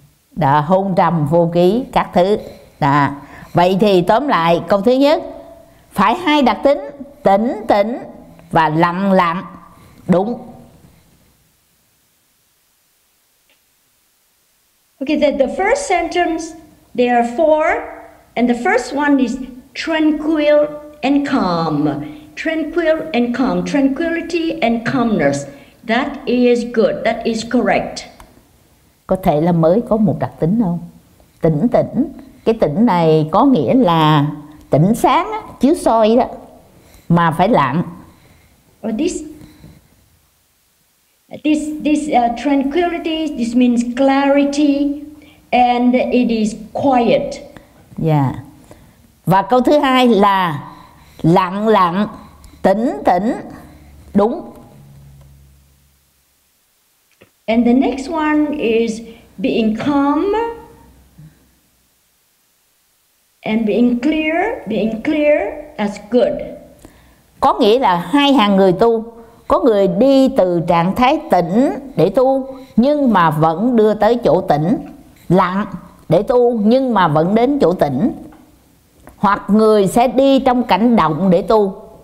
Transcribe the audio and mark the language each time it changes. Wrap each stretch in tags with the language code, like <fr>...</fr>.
<vi>Đã hôn trầm, vô ký, các thứ. Đã. Vậy thì tóm lại, câu thứ nhất, phải hai đặc tính, tỉnh tỉnh và lặng lặng, đúng.</vi> <en>Okay, then the first sentence, there are four, and the first one is tranquil and calm. Tranquil and calm, tranquility and calmness. That is good, that is correct.</en> <vi>Có thể là mới có một đặc tính không? Tỉnh tỉnh, cái tỉnh này có nghĩa là tỉnh sáng, chiếu soi đó, mà phải lặng.</vi> <en>This tranquility, this means clarity, and it is quiet. Yeah.</en> <vi>Và câu thứ hai là lặng lặng, tỉnh tỉnh, đúng.</vi> <en>And the next one is being calm and being clear, that's good.</en> <vi>Có nghĩa là hai hàng người tu. Có người đi từ trạng thái tỉnh để tu, nhưng mà vẫn đưa tới chỗ tỉnh. Lặng để tu, nhưng mà vẫn đến chỗ tỉnh. Hoặc người sẽ đi trong cảnh động để tu.</vi>